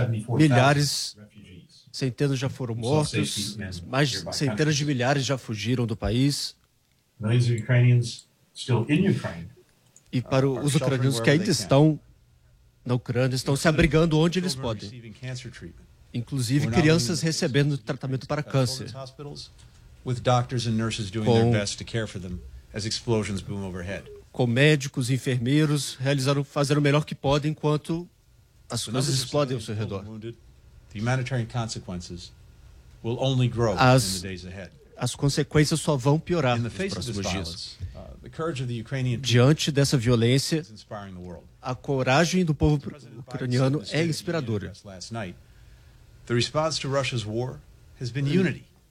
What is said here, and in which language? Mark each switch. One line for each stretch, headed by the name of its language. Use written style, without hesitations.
Portuguese: Milhares, centenas já foram mortos, mais centenas de milhares já fugiram do país. E para os ucranianos que ainda estão na Ucrânia, estão se abrigando onde eles podem. Inclusive crianças recebendo tratamento para câncer.
English: With doctors and nurses doing their best to care for them as explosions boom overhead.
Portuguese: Com médicos e enfermeiros realizando fazer o melhor que podem enquanto as coisas explodem ao seu redor.
English: The humanitarian consequences will only grow in the days ahead.
Portuguese: As consequências só vão piorar nos próximos dias.
English: The courage of the Ukrainian people.
Portuguese: Diante dessa violência, a coragem do povo ucraniano é inspiradora.
English: The response to Russia's war has been unity.